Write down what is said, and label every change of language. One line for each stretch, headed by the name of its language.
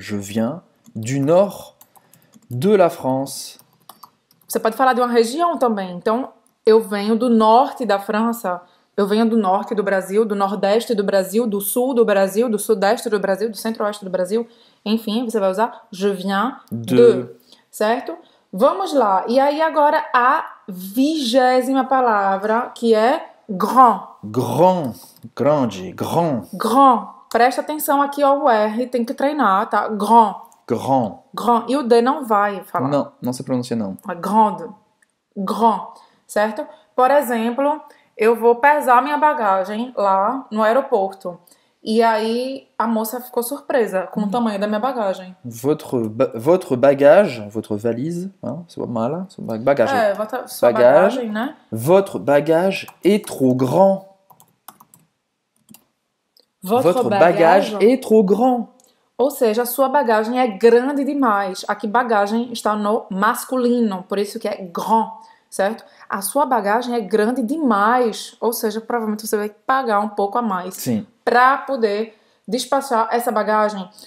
French: Je viens du nord de la France.
Portuguese: Você pode falar de uma região também. Então, eu venho do norte da França. Eu venho do norte do Brasil, do nordeste do Brasil, do sul do Brasil, do sudeste do Brasil, do centro-oeste do Brasil. Enfim, você vai usar je viens de. Certo? Vamos lá. E aí agora a 20ª palavra, que é... Grand. Grand. Grande. Grand. Grand. Presta atenção aqui ao R. Tem que treinar, tá? Grand. Grand. Grand. E o D não vai falar. Não. Não se pronuncia, não. Grande. Grand. Certo? Por exemplo, eu vou pesar minha bagagem lá no aeroporto. E aí a moça ficou surpresa com o tamanho da minha bagagem.
French: Votre bagage, votre valise, hein,
Portuguese: sua mala, sua bagagem. É, sua bagagem, né?
French: Votre bagage est trop grand. Votre bagage
Portuguese: bagagem,
French: est trop grand.
Portuguese: Ou seja, sua bagagem é grande demais. Aqui bagagem está no masculino, por isso que é grand, certo? A sua bagagem é grande demais, ou seja, provavelmente você vai pagar um pouco a mais Sim. para poder despachar essa bagagem.